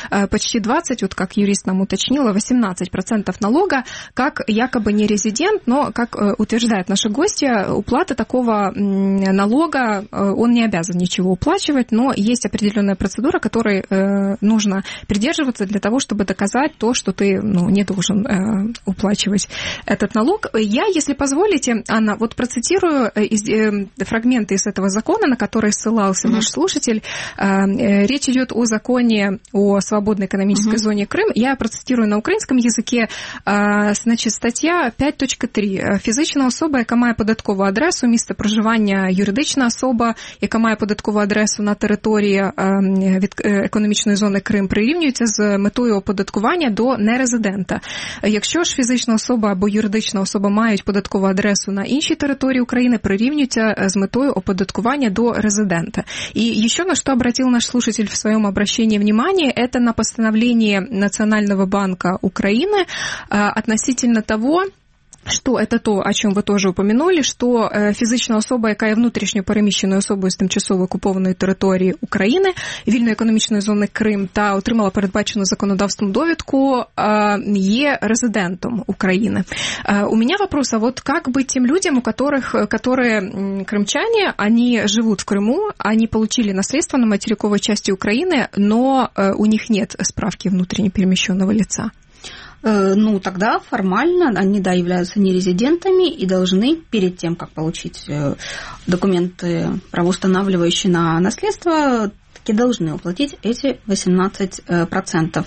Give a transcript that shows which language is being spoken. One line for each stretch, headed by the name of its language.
Russian: почти 20, вот как юрист нам уточнил, 18% налога, как якобы не резидент, но, как утверждает наши гости, уплата такого налога, он не обязан ничего уплачивать, но есть определенная процедура, которой нужно придерживаться для того, чтобы доказать то, что ты, ну, не должен уплачивать этот налог. Я, если позволите, Анна, вот процитирую фрагменты из этого закона, на который ссылался наш слушатель. Речь идет о законе о свободной экономической зоне Крым. Я процитирую на украинском языке. Значит, статья 5.3.
Ukrainian: Фізична особа, яка має податкову адресу, місце проживання, юридична особа, яка має податкову адресу на території від економічної зони Крим, прирівнюється з метою оподаткування до нерезидента. Якщо ж фізична особа або юридична особа мають податкову адресу на іншій території України, прирівнюється з метою оподаткування до резидента.
Russian: І ще на що обратив наш слушатель в своєму обращенні внимание, это на постановлении Національного банка України относительно того, что это то, о чем вы тоже упомянули, что
Ukrainian: физична особа, яка є внутрішньо переміщеною особою з тимчасово окупованої території України, вільної економічної зони Крим, та отримала передбачену законодавством довідку, є резидентом України.
Russian: У меня вопрос, а вот как бы тем людям, которые крымчане, они живут в Крыму, они получили наследство на материковой части Украины, но у них нет справки внутренне перемещенного лица? Ну, тогда формально они, да, являются нерезидентами и должны перед тем, как получить документы, правоустанавливающие на наследство, таки должны уплатить эти 18%.